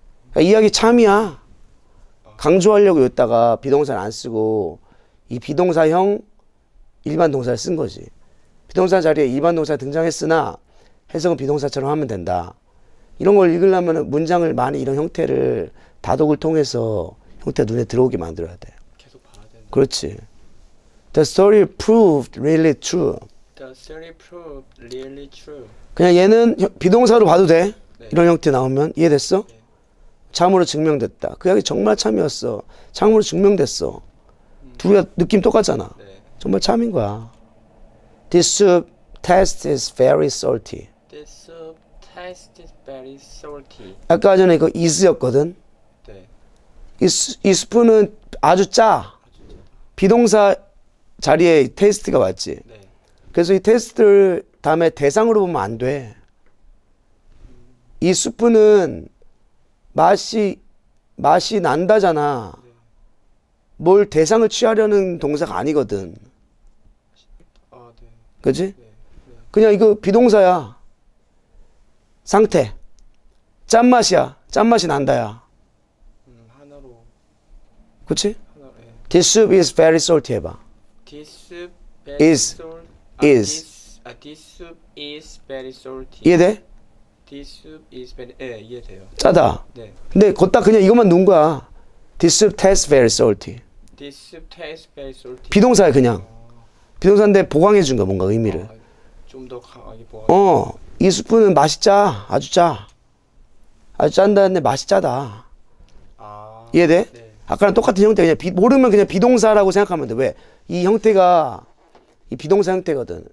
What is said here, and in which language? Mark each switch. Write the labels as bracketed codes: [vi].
[ko] 그러니까 이야기 참이야. 강조하려고 여기다가 비동사를 안 쓰고 이 비동사형 일반 동사를 쓴 거지. 비동사 자리에 일반 동사가 등장했으나 해석은 비동사처럼 하면 된다. 이런 걸 읽으려면 문장을 많이 이런 형태를 다독을 통해서 형태 눈에 들어오게 만들어야 돼. 계속 봐야 되는 거. 그렇지. [en] The story proved really true. The story proved really true. [ko] 그냥 얘는 비동사로 봐도 돼. 네. 이런 형태 나오면 이해됐어? 네. 참으로 증명됐다. 그 이야기 정말 참이었어. 참으로 증명됐어. 둘이 느낌 똑같잖아. 네. 정말 참인 거야. [en] This soup taste is very salty. This soup taste is very salty. [ko] 아까 전에 이거 is였거든. 네. 이 스푼은 아주 짜. 비동사 자리에 테스트가 왔지. 네. 그래서 이 테스트를 다음에 대상으로 보면 안 돼. 이 스프는 맛이 난다잖아. 네. 뭘 대상을 취하려는 동사가 아니거든. 아, 네. 그치? 네. 네. 그냥 이거 비동사야. 상태. 짠맛이야. 짠맛이 난다야. 하나로. 그치? 하나, 네. [en] This soup is very salty 해봐. This soup very is salty. Is. This soup is very salty. [ko] 이해돼? [en] This soup is very [ko] 예, 이해돼요. 짜다. 네. 근데 거기다 그냥 이것만 넣은 거야. [en] This soup tastes very salty. This soup tastes very salty. [ko] 비동사야 그냥. 비동사인데 보강해 준 거 뭔가 의미를. 아, 좀 더 강하게 보강. 어, 이 스프는 맛이 짜. 아주 짜. 아주 짠다 했는데 맛이 짜다. 아. 이해돼? 네. 아까랑 똑같은 형태 그냥 모르면 그냥 비동사라고 생각하면 돼. 왜? 이 형태가 이 비동사 형태거든.